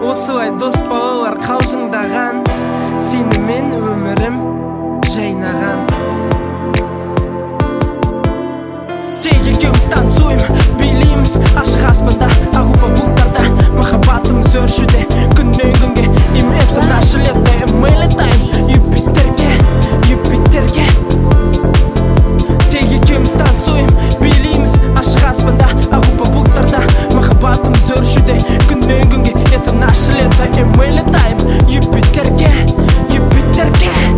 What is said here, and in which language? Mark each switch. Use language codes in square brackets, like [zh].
[kk] Осылай дос балалар қалжыңдаған, сенімен өмірім жайнаған. Екеуміз [ru] танцуем, [kk] билейміз ашық аспанда, ағу па бұлттарда, махаббатымыз өршуде. Күннен күнге [ru] им это наше лето, мы летаем Юпитерге, Юпитерге. [kk] Тек екеуміз [ru] танцуем, [kk] билейміз ашық аспанда, ағу па бұлттарда, махаббатымыз өршуде. Күннен күнге [ru] это наше лето, мы летаем Юпитерге, Юпитерге.